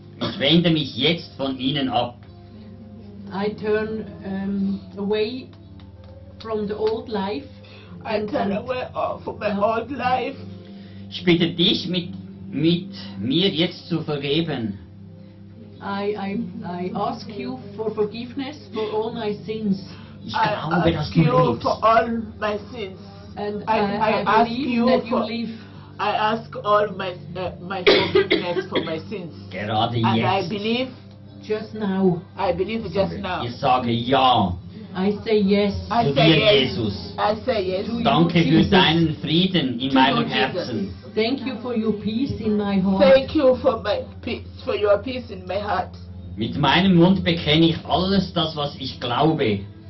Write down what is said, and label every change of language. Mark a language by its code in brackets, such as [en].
[de] Ich wende mich jetzt von ihnen ab. [en] I turn away from the old life. I turn away from my old life. [de] Ich bitte dich, mit mir jetzt zu vergeben. [en] I ask you for forgiveness for all my sins. I ask all my forgiveness for my sins. [de] Gerade [en] and [de] jetzt. [en] I believe just now. [de] Ich sage ja. [en] I say yes. I say yes. [de] Danke für deinen Frieden in meinem Herzen. [en] Thank you for your peace in my heart. Thank you for my peace, for your peace in my heart. [de] Mit meinem Mund bekenne ich alles das, was ich glaube.